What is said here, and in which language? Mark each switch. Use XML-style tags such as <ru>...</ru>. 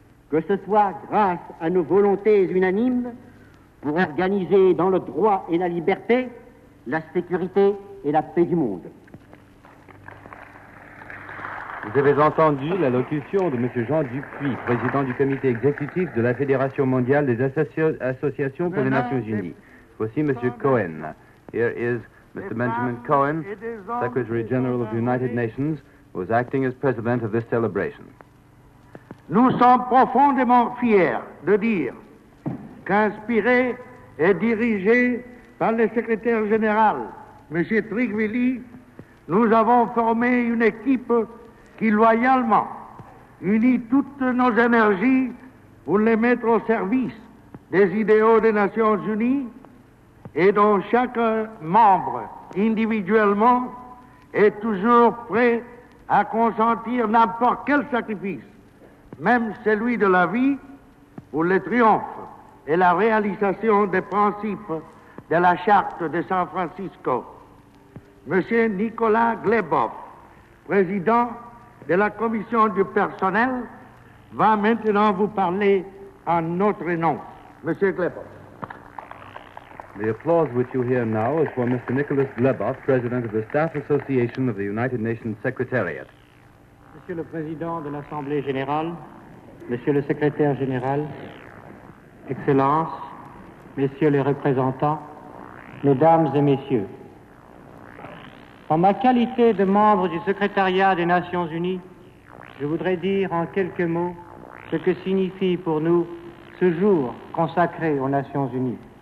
<fr>Que ce soit grâce à nos volontés unanimes pour organiser dans le droit et la liberté la sécurité et la paix du monde. Vous avez entendu la locution de M. Jean Dupuis, président du comité exécutif de la Fédération mondiale des associations pour les Nations Unies. Voici M. Cohen.</fr> <en>Here is Mr. Benjamin Cohen, Secretary General of the United Nations, who is acting as president of this celebration.</en> <fr>Nous sommes profondément fiers de dire qu'inspirés et dirigés par le secrétaire général, M. Trigvili, nous avons formé une équipe qui loyalement unit toutes nos énergies pour les mettre au service des idéaux des Nations Unies et dont chaque membre individuellement est toujours prêt à consentir n'importe quel sacrifice, même celui de la vie, pour le triomphe et la réalisation des principes de la Charte de San Francisco. Monsieur Nicolas Glebov, président de la Commission du personnel, va maintenant vous parler en notre nom. Monsieur Glebov.</fr> <en>The applause which you hear now is for Mr. Nicolas Glebov, president of the Staff Association of the United Nations Secretariat.</en> <fr>Monsieur le président de l'Assemblée générale, Monsieur le secrétaire général, Excellences, Messieurs les représentants, Mesdames et Messieurs. En ma qualité de membre du secrétariat des Nations Unies, je voudrais dire en quelques mots ce que signifie pour nous ce jour consacré aux Nations Unies.</fr>